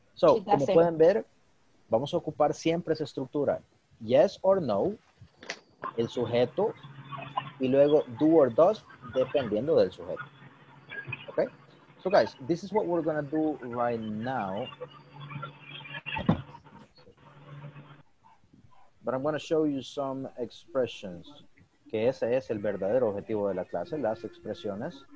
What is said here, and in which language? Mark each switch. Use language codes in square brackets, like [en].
[es] So, como pueden ver, vamos a ocupar siempre esa estructura. [en] Yes or no, [es] el sujeto, y luego [en] do or does, [es] dependiendo del sujeto. Okay? [en] So, guys, this is what we're going to do right now. But I'm going to show you some expressions. [es] Que ese es el verdadero objetivo de la clase, las expresiones.